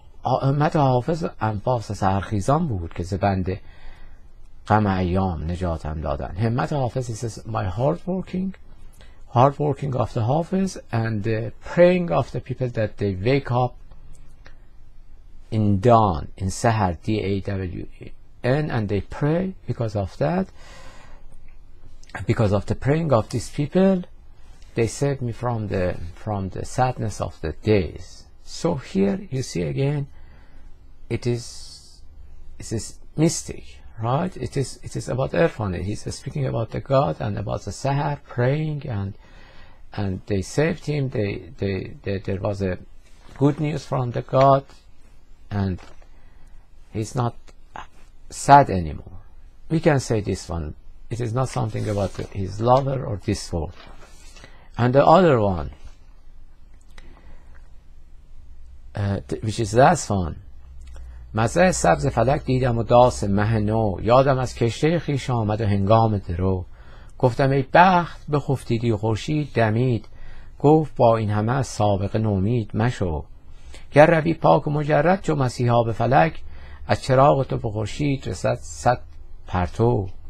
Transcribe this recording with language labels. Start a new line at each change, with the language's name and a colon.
Persian: همت حافظ انفاس سرخیزان بود که زبند غم ایام نجاتم دادن. همت حافظ
English: is my hard working of the Hafiz and praying of the people that they wake up in dawn, in sahar, D-A-W-N, and they pray because of the praying of these people, they saved me from the sadness of the days. So here you see again It is mystic, right? It is about Irfan. He's speaking about the God and about the Sahar praying and they saved him. They there was a good news from the God and he's not sad anymore. We can say this one. It is not something about his lover or this world. And the other one, which is last one.
Persian: مزرع سبز فلک دیدم و داس مه نو. یادم از کشته خیش آمد و هنگام درو. گفتم ای بخت بخفتیدی و خورشید دمید. گفت با این همه سابق نومید مشو. گر روی پاک و مجرد چو مسیحا به فلک، از چراغ تو به خورشید رسد صد پرتو.